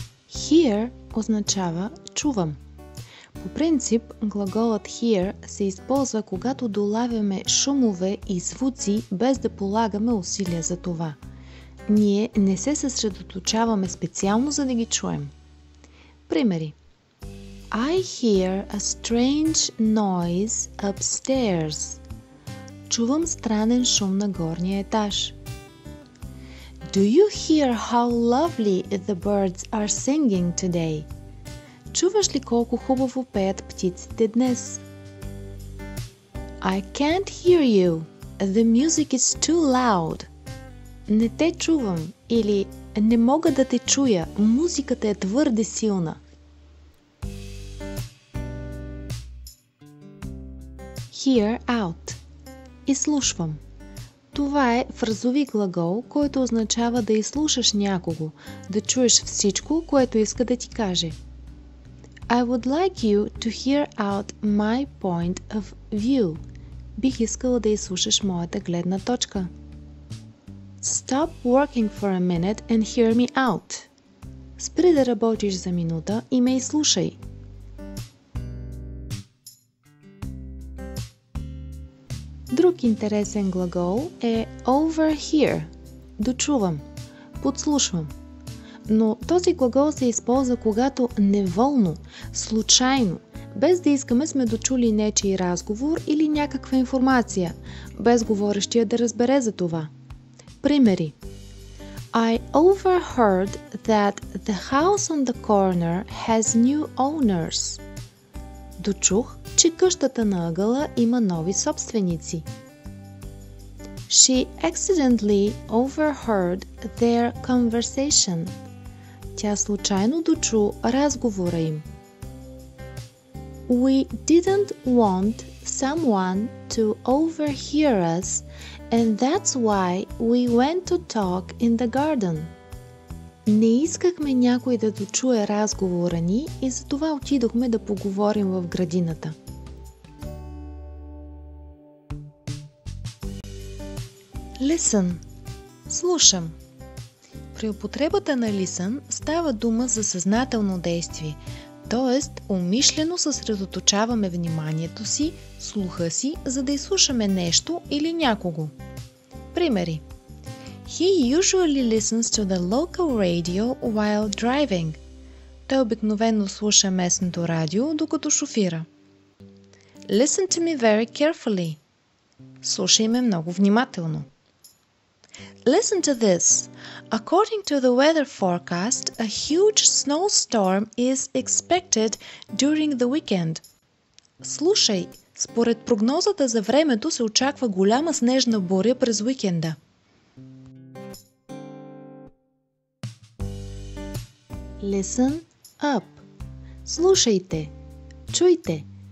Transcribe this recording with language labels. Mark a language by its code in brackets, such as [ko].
[bg] Hear означава чувам. По принцип, глаголът hear се използва, когато долавяме шумове и звуци, без да полагаме усилия за това. Ние не се съсредоточаваме специално, за да ги чуем. Примери. [en] I hear a strange noise upstairs. [bg] Чувам странен шум на горния етаж. [en] Do you hear how lovely the birds are singing today? [bg] Чуваш ли колко хубаво пеят птиците днес? [en] I can't hear you. The music is too loud. [bg] Не те чувам или не мога да те чуя. Музиката е твърде силна. [en] Hear out. [bg] Изслушвам. Това е фразови глагол, който означава да изслушаш някого, да чуеш всичко, което иска да ти каже. [en] I would like you to hear out my point of view. [bg] Бих искала да изслушаш моята гледна точка. [en] Stop working for a minute and hear me out. [bg] Спри да работиш за минута и ме изслушай. Друг интересен глагол е overhear. Дочувам, подслушвам. Но този глагол се използва, когато неволно, случайно, без да искаме сме дочули нечий разговор или някаква информация, без говорещия да разбере за това. Примери. [en] I overheard that the house on the corner has new owners. [bg] Дочух, че къщата на ъгъла има нови собственици. [en] She accidentally overheard their conversation. [bg] Тя случайно дочу разговора им. [en] We didn't want someone to overhear us, and that's why we went to talk in the garden. [bg] Не искахме някой да дочуе разговора ни и затова отидохме да поговорим в градината. [en] Listen. [bg] Слушам. При употребата на listen става дума за съзнателно действие, т.е. умишлено съсредоточаваме вниманието си, слуха си, за да изслушаме нещо или някого. Примери. [en] He usually listens to the local radio while driving. [bg] Той обикновено слуша местното радио, докато шофира. [en] Listen to me very carefully. [bg] Слушай ме много внимателно. [en] Listen to this. According to the weather forecast, a huge snowstorm is expected during the weekend. [bg] Слушай, според прогнозата за времето се очаква голяма снежна буря през уикенда. [en] Listen up. [bg] Слушайте. Чуйте.